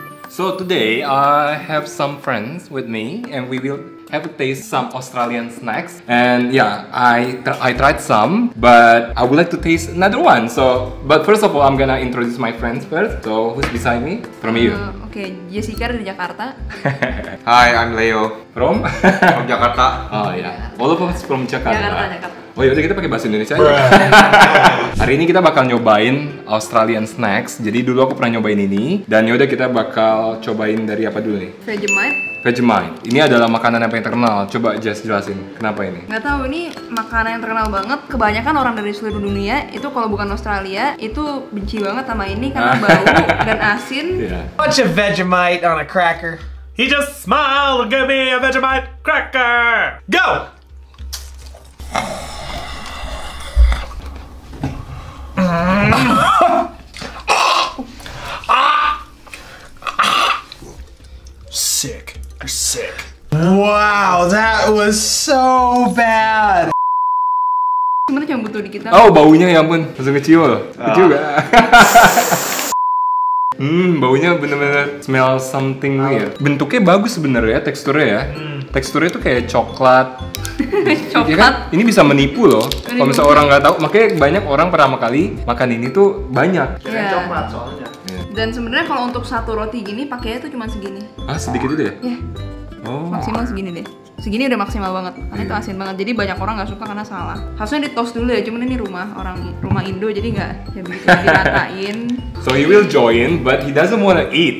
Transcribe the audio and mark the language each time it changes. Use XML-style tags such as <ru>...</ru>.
<en>So today I have some friends with me and we will have a taste some Australian snacks. And yeah, I tried some, but I would like to taste another one. So, but first of all, I'm gonna introduce my friends first. So who's beside me? From you.</en> <id>Okay, Jessica dari Jakarta.</id> <en>Hi, I'm Leo. From? From Jakarta. Oh yeah, all of us from Jakarta. Jakarta.</en> <id>Oh yaudah kita pakai bahasa Indonesia aja. Hari ini kita bakal nyobain</id> <en>Australian snacks.</en> <id>Jadi dulu aku pernah nyobain ini. Dan yaudah kita bakal cobain dari apa dulu nih?</id> <en>Vegemite.</en> <id>Ini adalah makanan yang paling terkenal. Coba Jess jelasin, kenapa ini? Gak tahu, ini makanan yang terkenal banget. Kebanyakan orang dari seluruh dunia itu kalau bukan Australia itu benci banget sama ini karena bau dan asin.</id> <en>Yeah. Bunch of Vegemite on a cracker. He just smiled and gave me a Vegemite cracker. Go! Sick. You're sick. Wow, that was so bad.</en> <id>Gimana cuma butuh dikit aja. Oh, baunya ya ampun. Langsung kecil. Kecil gak? Baunya bener-bener</id> <en>smell something weird.</en> <id>Bentuknya bagus sebenarnya, teksturnya ya. Teksturnya tuh kayak coklat. Coklat. Ya kan? Ini bisa menipu loh. Kalau misalnya orang nggak tahu, makanya banyak orang pertama kali makan ini tuh banyak. Kayak yeah. Coklat soalnya. Yeah. Dan sebenarnya kalau untuk satu roti gini pakainya tuh cuma segini. Ah, sedikit itu ya? Iya. Yeah. Oh. Maksimal segini deh. Segini udah maksimal banget, karena itu asin banget. Jadi banyak orang nggak suka karena salah. Harusnya di toast dulu ya, cuman ini rumah Indo, jadi nggak ya begitu diratain.</id> <en>So he will join, but he doesn't wanna eat.</en>